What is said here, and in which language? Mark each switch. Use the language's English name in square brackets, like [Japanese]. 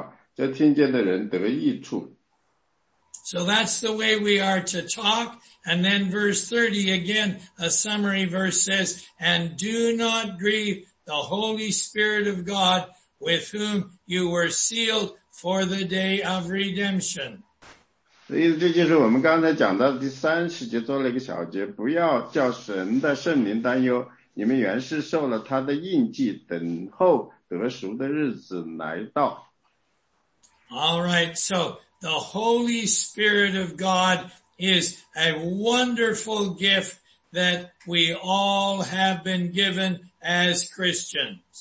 [Chinese] 第二九节是污秽的言语，一句不可出口，只要谁是说造就人的好话，叫听见的人得益处。 [English] So that's the way we are to talk. And then verse 30 again, a summary verse says, and do not grieve the Holy Spirit of God with whom you were sealed for the day of redemption. [Chinese] 所以这就是我们刚才讲到第三十节做了一个小节，不要叫神的圣灵担忧，你们原是受了他的印记，等候得赎的日子来到。 [English] All right, so the Holy Spirit of God is a wonderful gift that we all have been given as Christians.